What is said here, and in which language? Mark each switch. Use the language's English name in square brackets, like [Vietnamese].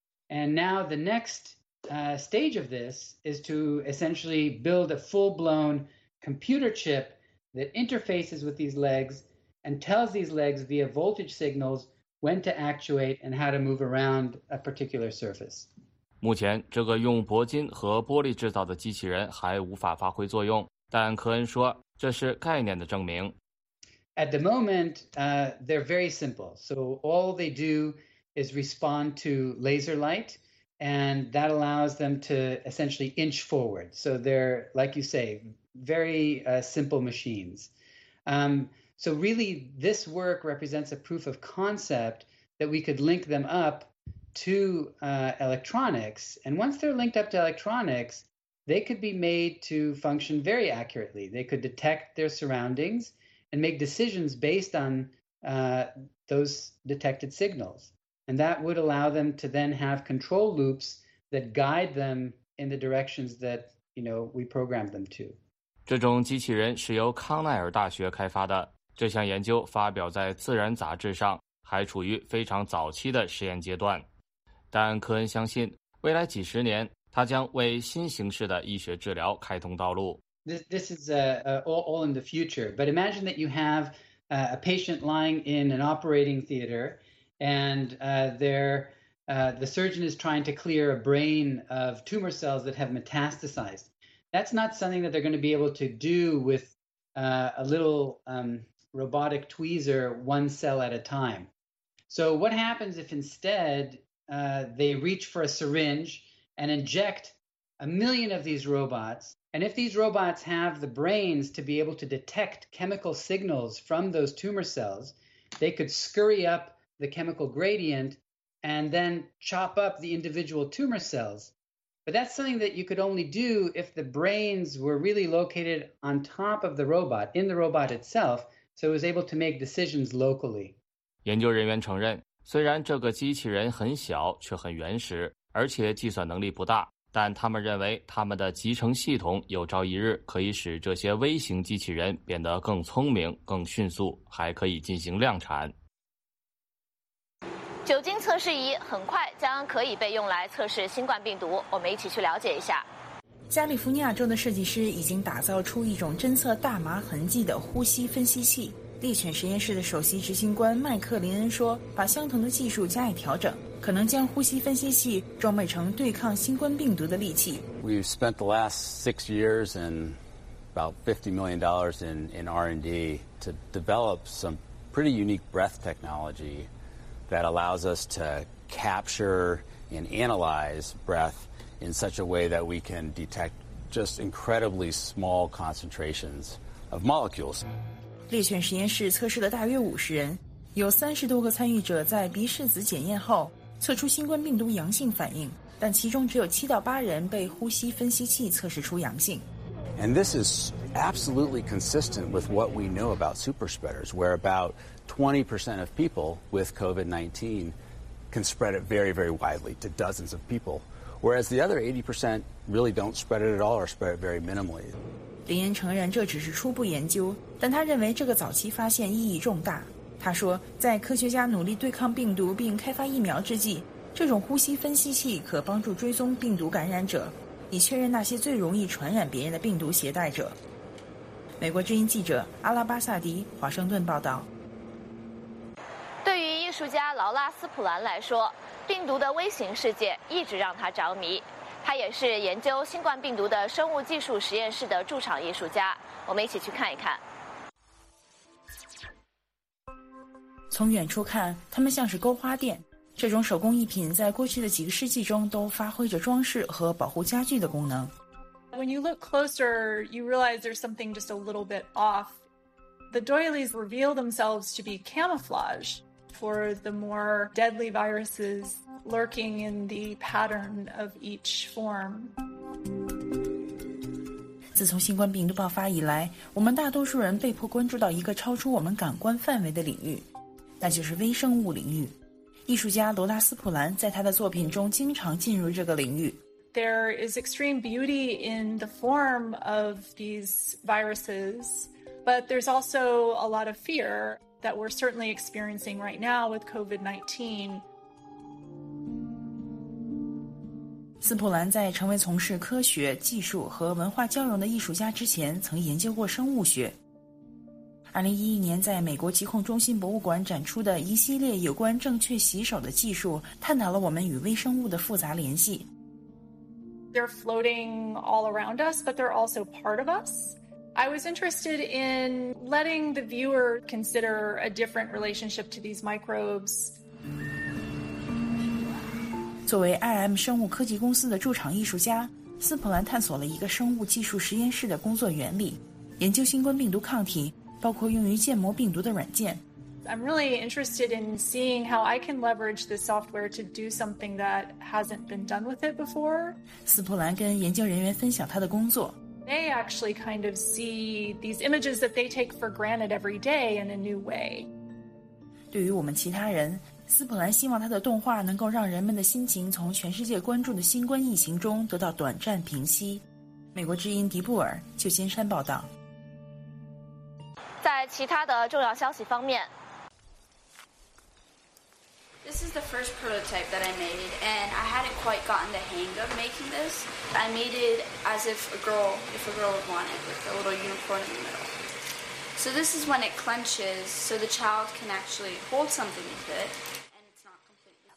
[English] And now the next stage of this is to essentially build a full-blown computer chip that interfaces with these legs and tells these legs via voltage signals when to actuate and how to move around a particular surface. [Chinese] 目前，这个用铂金和玻璃制造的机器人还无法发挥作用，但科恩说，这是概念的证明。 [English] At the moment, they're very simple. So all they do is respond to laser light, and that allows them to essentially inch forward. So they're, like you say, very simple machines. So really, this work represents a proof of concept that we could link them up to electronics. And once they're linked up to electronics, they could be made to function very accurately. They could detect their surroundings and make decisions based on those detected signals. And that would allow them to then have control loops that guide them in the directions that, you know, we programmed them to. [Chinese] 这种机器人是由康奈尔大学开发的。这项研究发表在《自然》杂志上，还处于非常早期的实验阶段。但科恩相信，未来几十年，他将为新形式的医学治疗开通道路。 [English] This is all in the future. But imagine that you have a patient lying in an operating theater, and the surgeon is trying to clear a brain of tumor cells that have metastasized. That's not something that they're going to be able to do with a little robotic tweezer, one cell at a time. So what happens if instead they reach for a syringe and inject a million of these robots? And if these robots have the brains to be able to detect chemical signals from those tumor cells, they could scurry up the chemical gradient and then chop up the individual tumor cells. But that's something that you could only do if the brains were really located on top of the robot, in the robot itself, so it was able to make decisions locally. [Chinese] 研究人员承认，虽然这个机器人很小，却很原始，而且计算能力不大，但他们认为他们的集成系统有朝一日可以使这些微型机器人变得更聪明、更迅速，还可以进行量产。酒精测试仪很快将可以被用来测试新冠病毒，我们一起去了解一下。加利福尼亚州的设计师已经打造出一种侦测大麻痕迹的呼吸分析器。猎犬实验室的首席执行官麦克林恩说，把相同的技术加以调整，可能将呼吸分析器装备成对抗新冠病毒的利器。 [English] We've spent the last 6 years and about $50 million in R&D to develop some pretty unique breath technology that allows us to capture and analyze breath in such a way that we can detect just incredibly small concentrations of molecules. [Chinese] 猎犬实验室测试了大约50人，有30多个参与者在鼻拭子检验后测出新冠病毒阳性反应，但其中只有7到8人被呼吸分析器测试出阳性。 [English] And this is absolutely consistent with what we know about super spreaders, where about 20% of people with COVID-19 can spread it very, very widely to dozens of people, whereas the other 80% really don't spread it at all or spread it very minimally. [Chinese] 林恩承认这只是初步研究，但他认为这个早期发现意义重大。他说，在科学家努力对抗病毒并开发疫苗之际，这种呼吸分析器可帮助追踪病毒感染者，以确认那些最容易传染别人的病毒携带者。美国之音记者阿拉巴萨迪，华盛顿报道。对于艺术家劳拉·斯普兰来说，病毒的微型世界一直让他着迷。他也是研究新冠病毒的生物技术实验室的驻场艺术家，我们一起去看一看。从远处看，他们像是勾花店。这种手工艺品在过去的几个世纪中都发挥着装饰和保护家具的功能。 [English] When you look closer, you realize there's something just a little bit off. The doilies reveal themselves to be camouflage for the more deadly viruses lurking in the pattern of each form. [Chinese] 自从新冠病毒爆发以来，我们大多数人被迫关注到一个超出我们感官范围的领域。那就是微生物领域。艺术家罗拉斯普兰在他的作品中经常进入这个领域。 [English] There is extreme beauty in the form of these viruses, but there's also a lot of fear that we're certainly experiencing right now with COVID-19. [Chinese] 斯普兰在成为从事科学、技术和文化交融的艺术家之前，曾研究过生物学。 2011年在美国疾控中心博物馆展出的一系列有关正确洗手的技术，探讨了我们与微生物的复杂联系。 [English] They're floating all around us, but they're also part of us. I was interested in letting the viewer consider a different relationship to these microbes. [Chinese] 作为 IM 生物科技公司的驻场艺术家，斯普兰探索了一个生物技术实验室的工作原理，研究新冠病毒抗体，包括用于建模病毒的软件。 [English] I'm really interested in seeing how I can leverage this software to do something that hasn't been done with it before. [Chinese] 斯普兰跟研究人员分享他的工作。 [English] They actually kind of see these images that they take for granted every day in a new way. [Chinese] 对于我们其他人，斯普兰希望他的动画能够让人们的心情从全世界关注的新冠疫情中得到短暂平息。美国之音迪布尔，旧金山报道。在其他的重要消息方面， [English] This is the first prototype that I made, and I hadn't quite gotten the hang of making this. I made it as if a girl would want it, with a little unicorn in the middle. So this is when it clenches, so the child can actually hold something with it, and it's not completely...